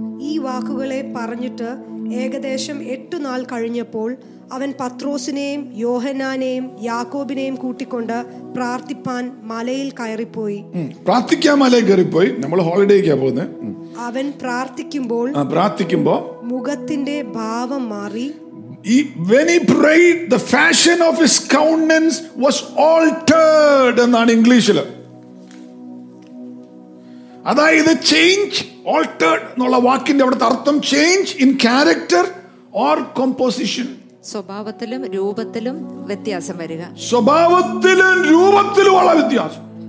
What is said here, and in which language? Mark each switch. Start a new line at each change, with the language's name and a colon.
Malayalam: ഈ വാക്കുകളെ പറഞ്ഞിട്ട് ഏകദേശം 8 കഴിഞ്ഞപ്പോൾ അവൻ പത്രോസിനെയും യോഹന്നാനെയും യാക്കോബിനെയും കൂട്ടിക്കൊണ്ട് പ്രാർത്ഥിപ്പാൻ മലയിൽ കയറിപ്പോയി. പ്രാർത്ഥിക്കാൻ മലയിൽ കയറിപ്പോയി, നമ്മൾ ഹോളിഡേക്കാ പോകുന്നത്. അവൻ പ്രാർത്ഥിക്കുമ്പോൾ മുഖത്തിന്റെ ഭാവം മാറി.
English: When he prayed, the fashion of his countenance was altered
Malayalam: എന്നാണ് ഇംഗ്ലീഷിൽ. അതായത് ചേഞ്ച്, ഓൾട്ടേർഡ് എന്നുള്ള വാക്കിന്റെ അവിടുത്തെ അർത്ഥം
English: Change in character or composition.
Malayalam: സ്വഭാവത്തിലും രൂപത്തിലും വ്യത്യാസം വരിക. സ്വഭാവത്തിലും രൂപത്തിലും ഉള്ള വ്യത്യാസം.